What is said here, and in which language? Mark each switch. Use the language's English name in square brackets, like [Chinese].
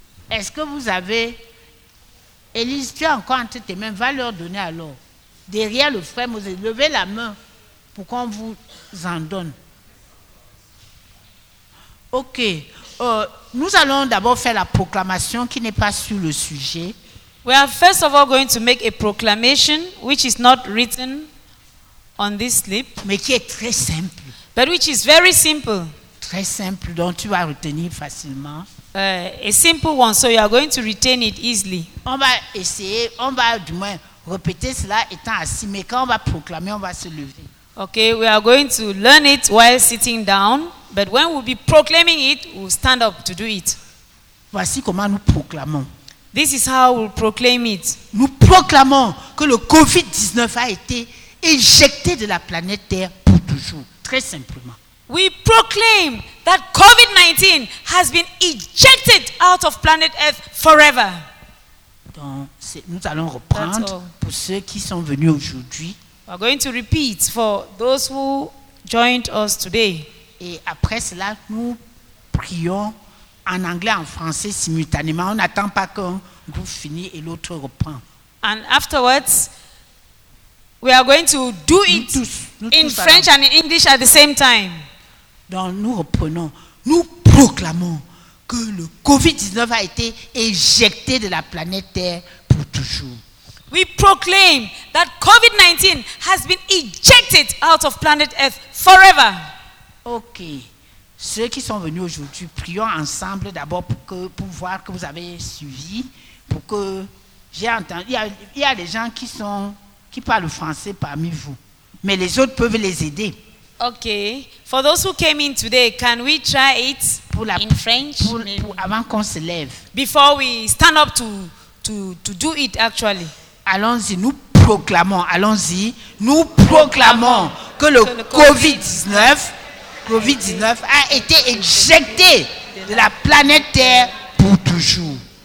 [French] Est-ce que vous avez. Élise, tu as encore entre tes mains, va leur donner alors. Derrière le frère Moses, levez la main pour qu'on vous en donne. Ok. Nous allons d'abord faire la proclamation qui n'est pas sur le sujet. [English] We are first of all going to make a proclamation which is not written on this slip. [French] Mais qui est très simple. [English] But which is very simple. [French] Très simple, dont tu vas retenir facilement. [English] A simple one, so you are going to retain it easily. [French] On va essayer, on va du moins répéter cela étant assis, mais quand on va proclamer, on va se lever. [English] Okay, we are going to learn it while sitting down, but when we'll be proclaiming it, we'll stand up to do it. [French] Voici comment nous proclamons. [English] This is how we'll proclaim it. [French] Nous proclamons que le COVID-19 a été éjecté de la planète Terre pour toujours, très simplement. [English] We proclaim that COVID-19 has been ejected out of planet Earth forever. [French] Donc, nous allons reprendre pour ceux qui sont venus aujourd'hui. [English] We're going to repeat for those who joined us today. [French] Et après cela, nous prions en anglais, en français simultanément. On n'attend pas qu'un groupe finisse et l'autre reprend. [English] And afterwards, we are going to do it in French and in English at the same time. [French] Donc, nous reprenons. Nous proclamons que le COVID-19 a été éjecté de la planète Terre pour toujours. [English] We proclaim that COVID-19 has been ejected out of planet Earth forever. Ok. [French] Ceux qui sont venus aujourd'hui, prions ensemble d'abord pour voir que vous avez suivi, pour que j'ai entendu. Il y a des gens qui parlent français parmi vous, mais les autres peuvent les aider. Ok. [English] For those who came in today, can we try it in French? [French] Avant qu'on se lève. [English] Before we stand up to do it actually. [French] Allons-y, nous proclamons, allons-y, nous proclamons que le COVID-19 a été éjecté de la planète Terre pour toujours.